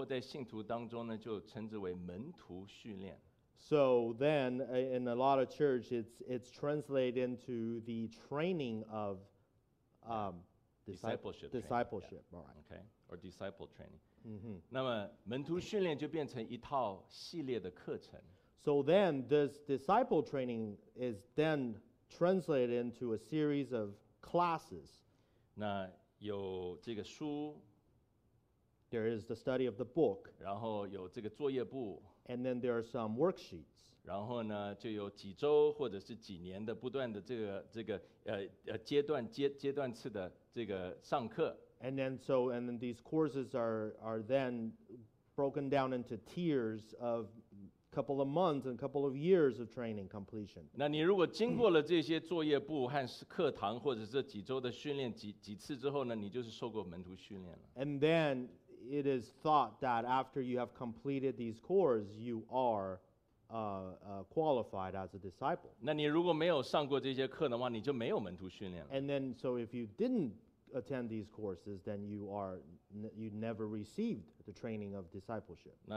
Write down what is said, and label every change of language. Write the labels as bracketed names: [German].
[Chinese] 那很多教会呢，或在信徒当中呢，就称之为门徒训练。 [English] So then, in a lot of churches, it's translated into the training of discipleship. Training, yeah. All right. Okay. Or disciple training. Mm-hmm. [Chinese] 那么门徒训练就变成一套系列的课程。 [English] So then, this disciple training is then translated into a series of classes. [Chinese] 那有这个书, [English] there is the study of the book, [Chinese] 然后有这个作业簿, [English] and then there are some worksheets. [Chinese] 然后呢，就有几周或者是几年的不断的这个阶段次的这个上课。 [English] And then these courses are then broken down into tiers of a couple of months and a couple of years of training completion. [Chinese] 那你如果经过了这些作业部和课堂或者这几周的训练几次之后呢，你就是受过门徒训练了。 [English] And then it is thought that after you have completed these courses, you are qualified as a disciple. [Chinese] 那你如果没有上过这些课的话，你就没有门徒训练了。 [English] And then so if you didn't attend these courses, then you never received the training of discipleship.